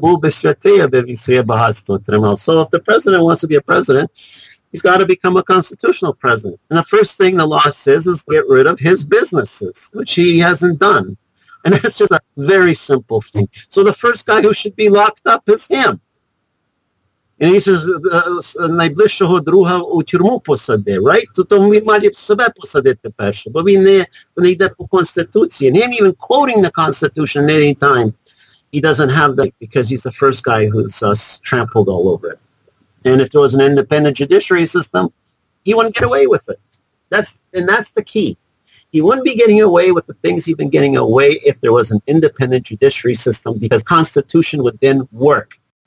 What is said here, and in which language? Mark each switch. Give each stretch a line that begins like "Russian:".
English: So if the president wants to be a president, he's got to become a constitutional president. And the first thing the law says is get rid of his businesses, which he hasn't done. And that's just a very simple thing. So the first guy who should be locked up is him. And he says,
Ukrainian: найближчого друга у тюрму посади,
English: right?
Ukrainian: То тому він має себе посадити перше, бо він не йде по Конституції.
English: And him even quoting the Constitution at any time, he doesn't have that because he's the first guy who's trampled all over it. And if there was an independent judiciary system, he wouldn't get away with it. That's the key. He wouldn't be getting away with the things he'd been getting away if there was an independent judiciary system because Constitution would then work.